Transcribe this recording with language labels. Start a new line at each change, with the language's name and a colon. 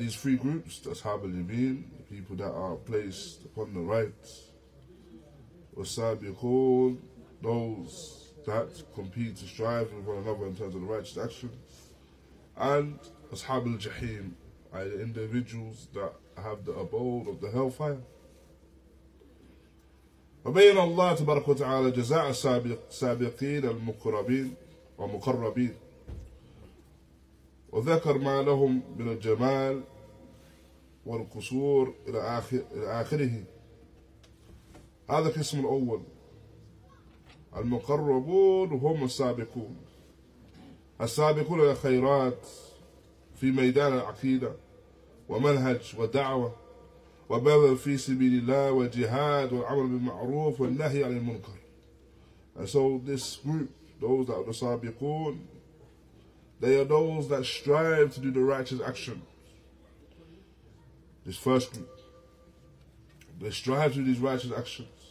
English: These three groups, the Ashab al-Yameen, the people that are placed upon the right, Was-Sabiqoon, those that compete to strive with one another in terms of the righteous actions, and Ashab al-Jahim, the individuals that have the abode of the hellfire.
Arabic: وبين الله تبارك وتعالى جزاء السابقين المقربين ومقربين وذكر ما لهم من الجمال والقصور إلى آخره. هذا القسم الأول، المقربون هم السابقون. السابقون إلى خيرات في ميدان العقيدة ومنهج ودعوة وبذل في سبيل الله وجهاد والعمل بالمعروف والنهي عن المنكر.
English: And so this group, those that are the sabiqoon, they are those that strive to do the righteous action. This first group, they strive to do these righteous actions.